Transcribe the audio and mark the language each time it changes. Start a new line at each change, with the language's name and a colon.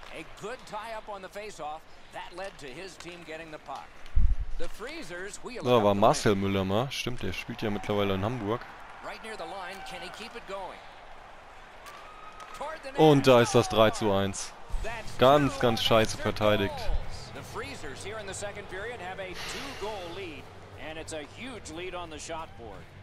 English: A good tie up on the faceoff that led to his team getting the puck. The Freezers wheel.
German: Da war Marcel Müller mal, stimmt, der spielt ja mittlerweile in Hamburg.
English: Right near the line, can he keep it going?
German: Und da ist das 3-1. Ganz, ganz scheiße verteidigt.
English: The Freezers here in the second period have a 2-goal lead and it's a huge lead on the shot board.